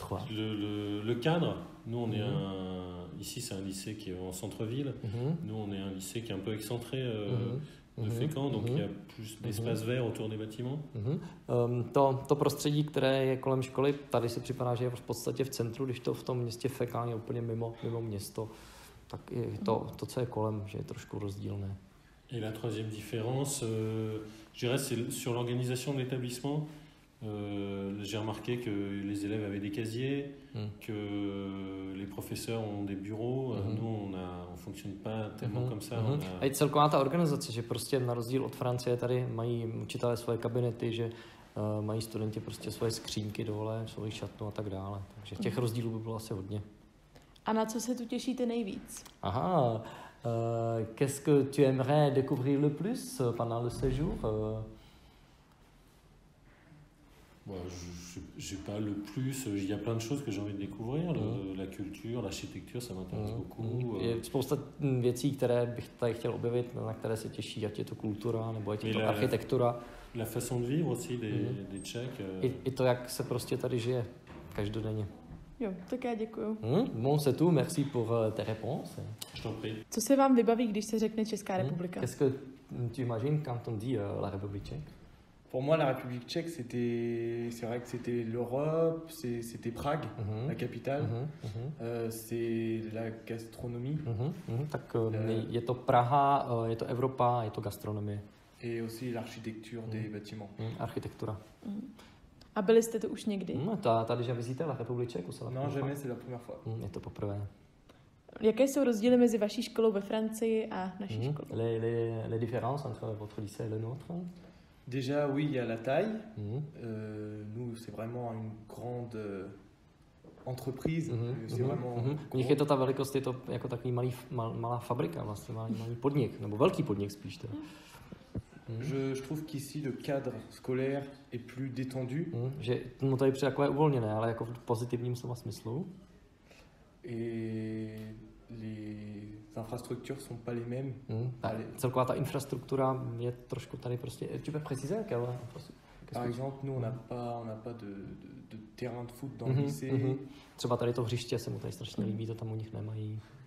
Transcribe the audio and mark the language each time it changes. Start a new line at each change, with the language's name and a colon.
French: Le cadre, nous on est ici c'est un lycée qui est en centre-ville, nous on est un lycée qui est un peu excentré de Fécamp, donc il y a plus d'espace vert autour des bâtiments.
Czech: To prostředí, které je kolem školy, tady se připadá, že je v podstatě v centru, když to v tom městě Fécamp je úplně mimo město, tak je to, co je kolem, že je trošku rozdílné.
French: Et la troisième différence, je dirais, c'est sur l'organisation de l'établissement. J'ai remarqué que les élèves avaient des casiers, que les professeurs ont des bureaux. Nous, on fonctionne pas tellement comme ça.
Czech: A je celková ta organizace, že prostě na rozdíl od Francie tady mají učitelé svoje kabinety, že mají studenti prostě svoje skřínky dole, svoji šatnu a tak dále. Takže těch rozdílů by bylo asi hodně. A na co se tu těšíte nejvíc?
French: Aha, qu'est-ce que tu aimerais découvrir le plus pendant le séjour? J'ai pas le plus, il y a plein de choses que j'ai envie de découvrir, la culture, l'architecture, ça m'intéresse beaucoup.
Czech: Je spousta věcí, které bych tady chtěl objevit, na které se těší, ať je to kultura, nebo ať je to architektura.
French: La façon de vivre aussi des Tchèques.
Czech: I to, jak se prostě tady žije, každodenně. Jo, tak já děkuju.
French: Bon, c'est tout, merci pour tes réponses. Je t'en prie.
Czech: Co se vám vybaví, když se řekne Česká republika?
French: Qu'est-ce que tu imagines quand on dit la République tchèque? Pour moi, la République tchèque, c'est vrai que c'était l'Europe, c'était Prague, la capitale, c'est la gastronomie.
Czech: Tak je to Praha, je to Evropa, je to gastronomie.
French: Et aussi l'architecture des bâtiments.
Czech: Architektura. A byli jste tu už někdy? Tady že vizíte
French: la République tchèque, c'est la première fois. Non, jamais, c'est la première fois.
Czech: Je to poprvé. Jaké jsou rozdíly mezi vaší školou ve Francii a naší školou?
French: Les différences entre votre lycée et le nôtre? Déjà, oui, il y a la taille. Nous, c'est vraiment une grande entreprise.
Czech: U nich je to ta velikost, je to jako takový malá fabrika, vlastně malý podnik, nebo velký podnik spíš.
French: Je trouve qu'ici le cadre scolaire est plus détendu.
Czech: Tady přijde takové uvolněné, ale jako v pozitivním slova smyslu.
French: Les infrastructures sont pas les mêmes.
Czech: Celková ta infrastruktura je trošku tady prostě.
French: Tu peux préciser quelle infrastructure? Par exemple, nous on n'a pas de terrain de foot dans le lycée.
Czech: Třeba tady to hřiště se mu tady strašně líbí, to tam u nich nemají.